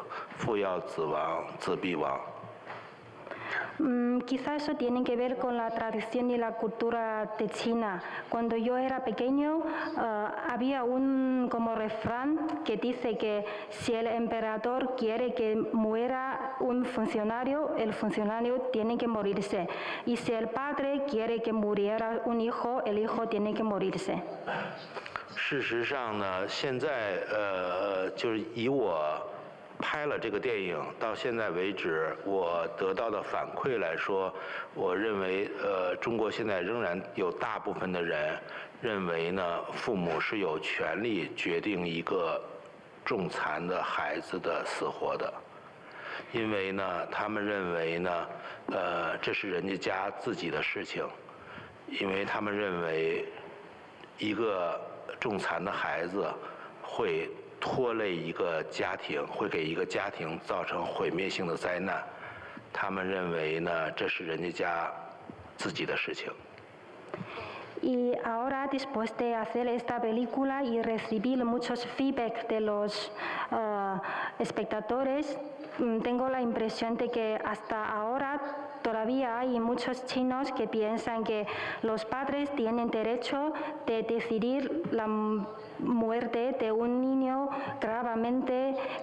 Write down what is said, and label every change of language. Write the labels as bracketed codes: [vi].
[zh] 我觉得跟中国的传统有关吧，因为呢，就是我当我在小的时候，中国有一句像一样俗话的一样的一个口头禅，叫君叫臣死，臣得死，父要子亡，子必亡。 [es] Quizás eso tiene que ver con la tradición y la cultura de China. Cuando yo era pequeño, había un como refrán que dice que si el emperador quiere que muera un funcionario, el funcionario tiene que morirse. Y si el padre quiere que muriera un hijo, el hijo tiene que morirse. [zh] 事实上呢，现在 就是以我 拍了这个电影，到现在为止，我得到的反馈来说，我认为，中国现在仍然有大部分的人认为呢，父母是有权利决定一个重残的孩子的死活的，因为呢，他们认为呢，这是人家家自己的事情，因为他们认为一个重残的孩子会 拖累一个家庭，会给一个家庭造成毁灭性的灾难。他们认为呢，这是人家家自己的事情。 [es] Y ahora, después de hacer esta película y recibir muchos feedback de los espectadores, tengo la impresión de que hasta ahora todavía hay muchos chinos que piensan que los padres tienen derecho de decidir la muerte de un niño gravemente